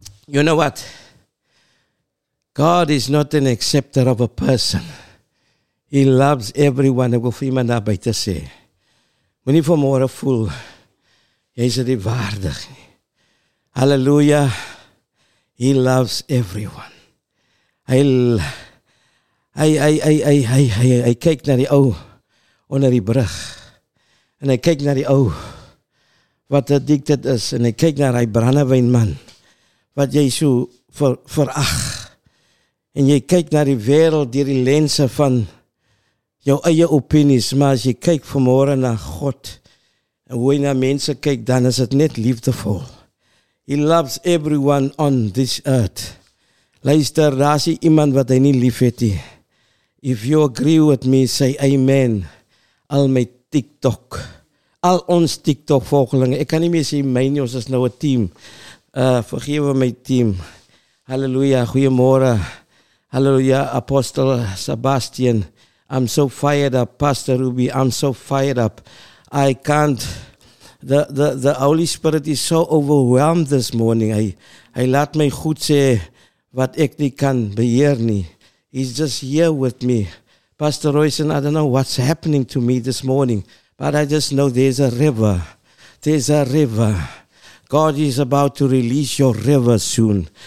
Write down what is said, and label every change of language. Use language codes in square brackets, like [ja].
[en] You know what? God is not an acceptor of a person. He loves everyone. [af] Ek wil vir iemand daar buiten sê, moet nie vanmorgen voel, jy is die waardig. [en] Halleluja, He loves everyone. [af] Hy kyk na die ou onder die brug, en hy kyk na die ou wat addicted is, en hy kyk na die brandewijn man, wat jy so veracht. En jy kyk na die wereld deur die lense van jou eie opinies, maar as jy kyk vanmorgen na God, en hoe jy na mense kyk, dan is het net liefdevol. [en] He loves everyone on this earth. [af] Luister, daar is iemand wat hy nie lief het nie. [en] If you agree with me, say amen. [af] Al my TikTok, al ons TikTok volgelinge, ek kan nie meer sê my nie, ons is nou een team. Vergewe my team. Halleluja, goeiemorgen. [en] Halleluja, Apostel Sebastian. I'm so fired up, Pastor Ruby. I'm so fired up. I can't. The Holy Spirit is so overwhelmed this morning. [af] Hy laat my goed sê wat ek nie kan beheer nie. [en] He's just here with me. Pastor Royson, I don't know what's happening to me this morning, but I just know there's a river. There's a river. God is about to release your river soon.